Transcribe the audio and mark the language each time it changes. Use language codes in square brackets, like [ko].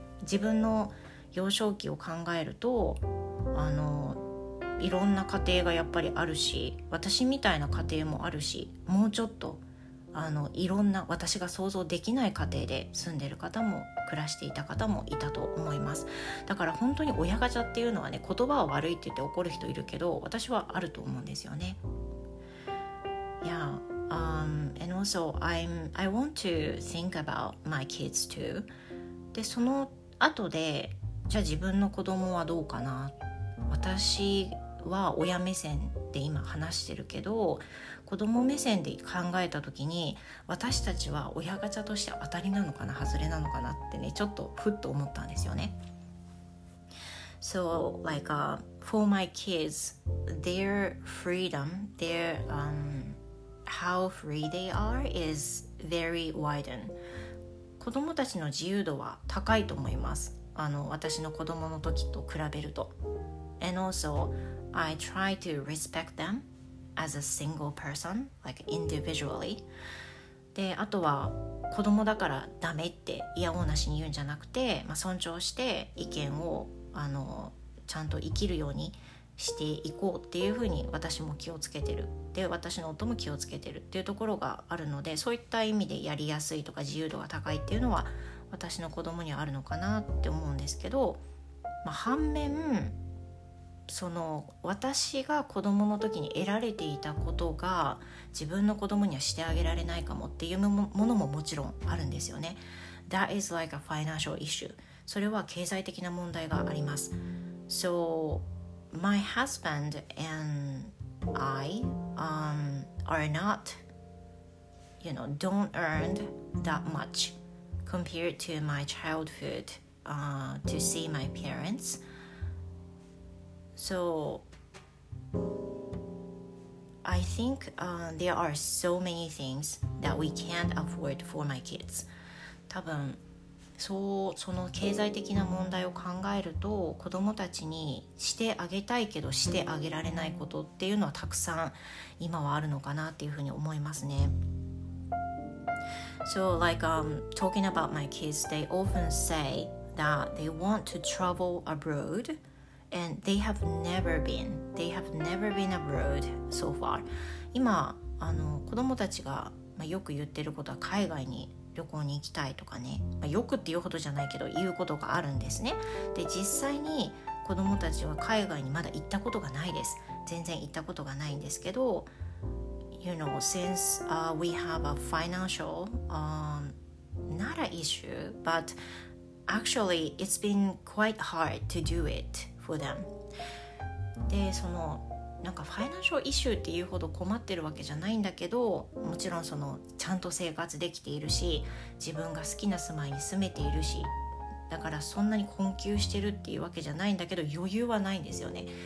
[ja] 自分の幼少期を考えると、いろんな家庭がやっぱりあるし、私みたいな家庭もあるし、もうちょっといろんな私が想像できない家庭で住んでる方も暮らしていた方もいたと思います。だから本当に親ガチャっていうのはね、言葉は悪いって言って怒る人いるけど、私はあると思うんですよね。 [en] And also I want to think about my kids too。 [ja] で、その後で、じゃあ自分の子供はどうかな、私は親目線で今話してるけど、子供目線で考えた時に、私たちは親ガチャとして当たりなのかな、外れなのかなってね、ちょっとふっと思ったんですよね。 [en] So like for my kids, their freedom, their how free they are is very widened。 [ja] 子供たちの自由度は高いと思います、私の子供の時と比べると。 [en] And also I try to respect themas a single person, like individually。 [ja] で、あとは子供だからダメって嫌おうなしに言うんじゃなくて、まあ、尊重して意見をちゃんと生きるようにしていこうっていうふうに私も気をつけてる、で、私の夫も気をつけてるっていうところがあるので、そういった意味でやりやすいとか自由度が高いっていうのは私の子供にはあるのかなって思うんですけど、まあ、反面私が子どもの時に得られていたことが自分の子供にはしてあげられないかもっていうものももちろんあるんですよね。 [en] That is like a financial issue。 [ja] それは経済的な問題があります。 [en] So my husband and I are not, you know, don't earn that much compared to my childhood to see my parents。 So I think there are so many things that we can't afford for my kids。 [ja] 多分その経済的な問題を考えると、子供たちにしてあげたいけどしてあげられないことっていうのはたくさん今はあるのかなっていうふうに思いますね。 [en] So like talking about my kids, they often say that they want to travel aboutAnd they have never been abroad so far。 [ja] 今子供たちが、まあ、よく言ってることは海外に旅行に行きたいとかね、まあ、よくって言うほどじゃないけど言うことがあるんですね。で、実際に子供たちは海外にまだ行ったことがないです。全然行ったことがないんですけど、 [en] You know, since we have a financial not an issue, but actually it's been quite hard to do itfor them。 [ja] で、なんかファイナンシャルイシューっていうほど困ってるわけじゃないんだけど、もちろんちゃんと生活できているし、自分が好きな住まいに住めているし、だからそんなに困窮してるっていうわけじゃないんだけど、余裕はないんですよね。